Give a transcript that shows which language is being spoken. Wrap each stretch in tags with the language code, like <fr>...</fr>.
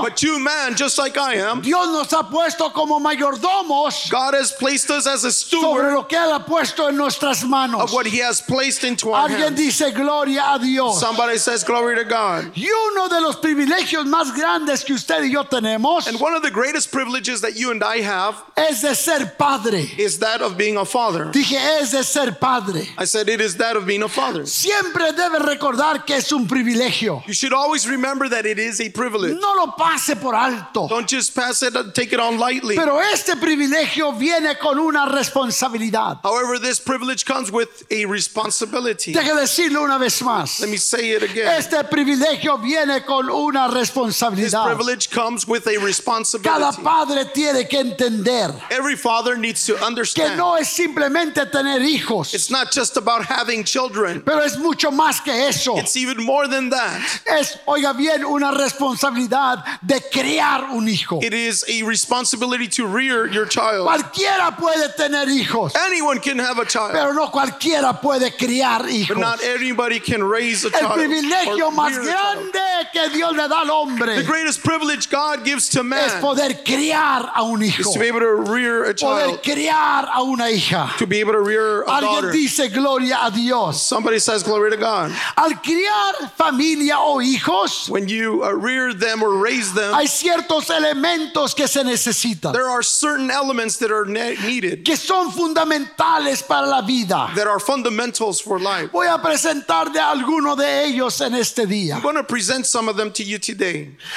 <en>but you, man, just like I am,</en> <es>Dios nos ha puesto como mayordomos,</es> <en>God has placed us as a steward</en> <es>sobre lo que Él ha puesto en nuestras manos,</es> <en>of what He has placed into our</en> <es>alguien</es> <en>hands.</en> <es>Alguien dice gloria a Dios.</es> <en>Somebody says glory to God.</en> <es>Y uno de los privilegios más grandes que usted y yo tenemos,</es> <en>and one of the greatest privileges that you and I have,</en> <es>es de ser padre,</es> <en>is that of being a father.</en> <es>Dije, es de ser padre.</es> <en>I said it is that of being a father.</en> <es>Siempre debe recordar que es un privilegio.</es> <en>You should always remember that it is a privilege.</en> <es>No lo pase por alto.</es> <en>Don't just pass it, take it on lightly.</en> <es>Pero este privilegio viene con una responsabilidad.</es> <en>However, this privilege comes with a responsibility.</en> <es>Deje decirlo una vez más.</es> <en>Let me say it again.</en> <es>Este privilegio viene con una responsabilidad.</es> <en>This privilege comes with a responsibility.</en> <es>Cada padre tiene que entender.</es> <en>Every father needs to understand.</en> <es>Que no es simplemente tener hijos.</es> <en>It's not just about having children.</en> <es>Pero es mucho más que eso.</es> <en>It's even more than that.</en> <es>Es, oiga bien, una responsabilidad de criar un hijo.</es> <en>It is a responsibility to rear your child.</en> <es>Cualquiera puede tener hijos.</es> <en>Anyone can have a child.</en> <es>Pero no cualquiera puede criar hijos.</es> <en>But not everybody can raise a</en> <es>el</es> <en>child.</en> <es>El privilegio más grande que Dios le da al hombre.</es> <en>The greatest privilege God gives to man</en> <es>es poder criar a un hijo.</es> <en>Is to be able to rear a child.</en> <es>Poder criar a una hija.</es> <en>To be able to rear a</en> <es>alguien</es> <en>daughter.</en> <es>Dice gloria a Dios.</es> <en>Somebody says glory to God.</en> <es>Al criar familia o hijos,</es> <en>when you rear them or raise them,</en> <es>hay ciertos elementos que se necesitan.</es> <en>There are certain elements that are needed.</en> <es>Que son fundamentales para la vida.</es> <en>That are fundamentals for life.</en> <es>Voy a presentar de alguno de ellos en este día.</es> <en>I'm going to present some of them to you today.</en>